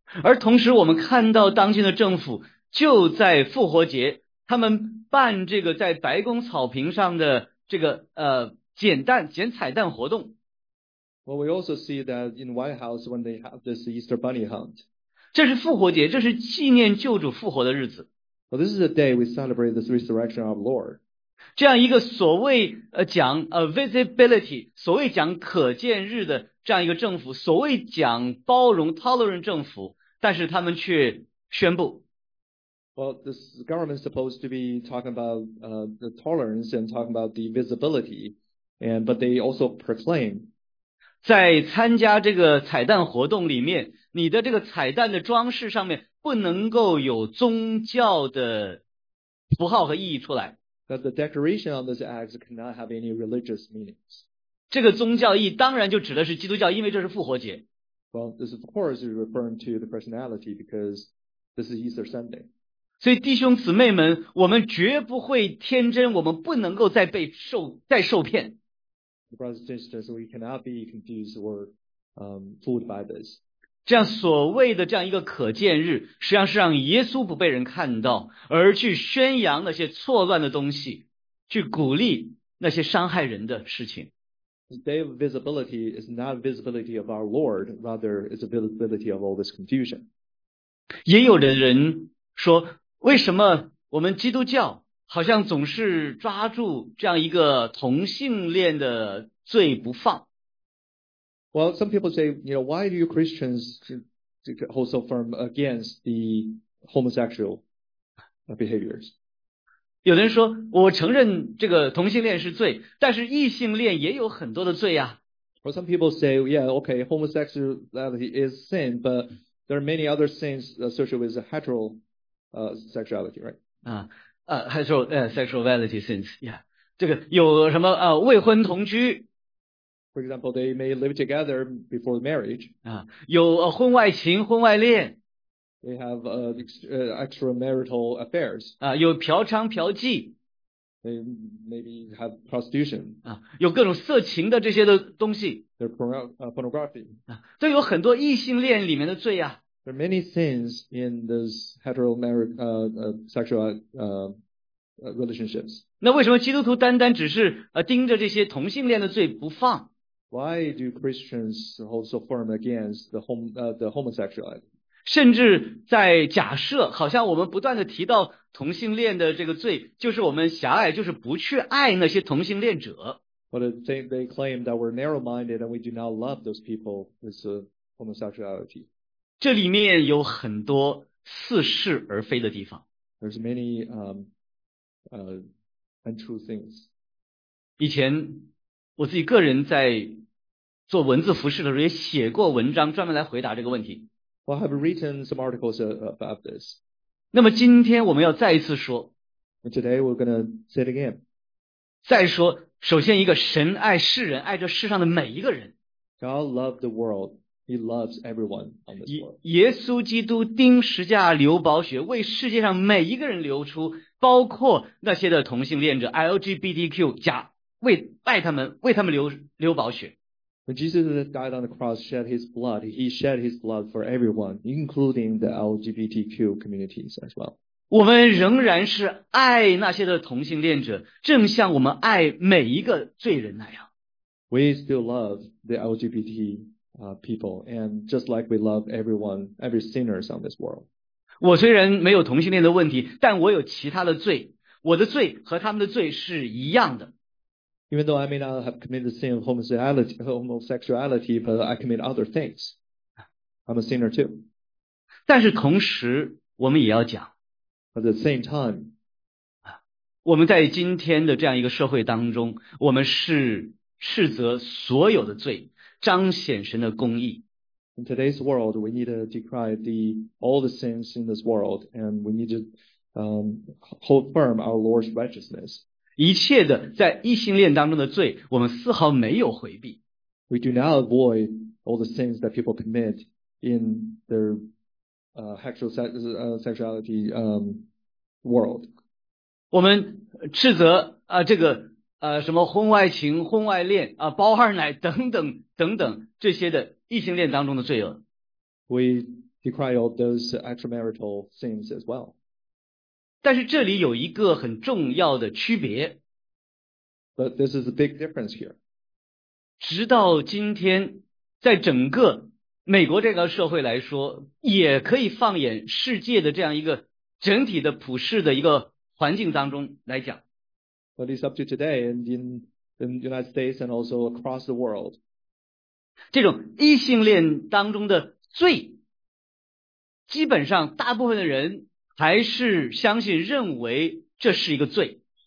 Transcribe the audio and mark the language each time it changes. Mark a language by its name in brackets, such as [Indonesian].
[Chinese] 而同时我们看到当今的政府就在复活节，他们办这个在白宫草坪上的这个捡彩蛋活动。 [English] Well, we also see that in the White House when they have this Easter bunny hunt. [Chinese] 这是复活节，这是纪念救主复活的日子。 [English] Well, this is the day we celebrate the resurrection of the Lord. [Chinese] 这样一个所谓讲visibility, 所谓讲可见日的这样一个政府，所谓讲包容 tolerant 政府，但是他们却宣布。 [English] Well, this government is supposed to be talking about the tolerance and talking about the visibility, and but they also proclaim. [Chinese] 在参加这个彩蛋活动里面，你的这个彩蛋的装饰上面不能够有宗教的符号和意义出来。 [English] That the decoration on this axe cannot have any religious meanings. [Chinese] 这个宗教义当然就指的是基督教，因为这是复活节。 [English] Well, this of course is referring to the Christianity because this is Easter Sunday. [Chinese] 所以弟兄姊妹们，我们绝不会天真，我们不能够再受骗。 [English] Brothers and sisters, we cannot be confused or fooled by this. [Chinese] 这样所谓的这样一个可见日，实际上是让耶稣不被人看到，而去宣扬那些错乱的东西，去鼓励那些伤害人的事情。 [English] The day of visibility is not visibility of our Lord, rather it's a visibility of all this confusion. [Chinese] 也有的人说，为什么我们基督教好像总是抓住这样一个同性恋的罪不放？ [English] Well, some people say, you know, why do you Christians hold so firm against the homosexual behaviors? [Chinese] 有人说，我承认这个同性恋是罪，但是异性恋也有很多的罪啊。 [English] Well, some people say, yeah, okay, homosexuality is sin, but there are many other sins associated with heterosexuality, right? Heterosexuality sins, yeah. [Chinese] 这个有什么未婚同居。 [English] For example, they may live together before marriage. [Chinese] 有婚外情、婚外恋。 [English] They have extramarital affairs. [Chinese] 有嫖娼、嫖妓。 [English] They maybe have prostitution. [Chinese] 有各种色情的这些的东西。 [English] They're pornography. [Chinese] 都有很多异性恋里面的罪啊。 [English] There are many sins in those sexual relationships. [Chinese] 那为什么基督徒单单只是盯着这些同性恋的罪不放？ [English] Why do Christians hold so firm against the homosexuality? [Chinese] 甚至在假设，好像我们不断的提到同性恋的这个罪，就是我们狭隘，就是不去爱那些同性恋者。 [English] But they claim that we're narrow-minded and we do not love those people with homosexuality. [Chinese] 这里面有很多似是而非的地方。 [English] There's many untrue things. [Chinese] 以前。我自己个人在做文字服饰的时候，也写过文章专门来回答这个问题。 [English] Well, I've written some articles about this. [Chinese] 那么今天我们要再一次说。 [English] And today we're gonna say it again. [Chinese] 再说，首先一个，神爱世人，爱这世上的每一个人。 [English] God loved the world. He loves everyone on this world. [Chinese] 耶稣基督钉十字架流宝血，为世界上每一个人流出，包括那些的同性恋者 LGBTQ 加。为爱他们，为他们流宝血。 [English] When Jesus died on the cross, shed his blood, he shed his blood for everyone, including the LGBTQ communities as well. [Chinese] 我们仍然是爱那些的同性恋者，正像我们爱每一个罪人那样。 [English] We still love the LGBT people, and just like we love everyone, every sinners on this world. [Chinese] 我虽然没有同性恋的问题，但我有其他的罪，我的罪和他们的罪是一样的。 [English] Even though I may not have committed the sin of homosexuality, but I commit other things. I'm a sinner too. [Chinese] 但是同时我们也要讲。 [English] At the same time, [Chinese] 我们在今天的这样一个社会当中，我们是斥责所有的罪，彰显神的公义。 [English] In today's world, we need to decry all the sins in this world, and we need to hold firm our Lord's righteousness. [Chinese] 一切的在异性恋当中的罪，我们丝毫没有回避。 [English] We do not avoid all the sins that people commit in their sexuality world. [Chinese] 我们斥责这个什么婚外情、婚外恋包二奶等等等等这些的异性恋当中的罪恶。 [English] We decry all those extramarital sins as well. [Chinese] 但是这里有一个很重要的区别。 [English] But this is a big difference here. [Chinese] 直到今天，在整个美国这个社会来说，也可以放眼世界的这样一个整体的普世的一个环境当中来讲。 [English] But it's up to today and in the United States and also across the world. [Chinese] 这种异性恋当中的罪，基本上大部分的人还是相信认为这是一个罪。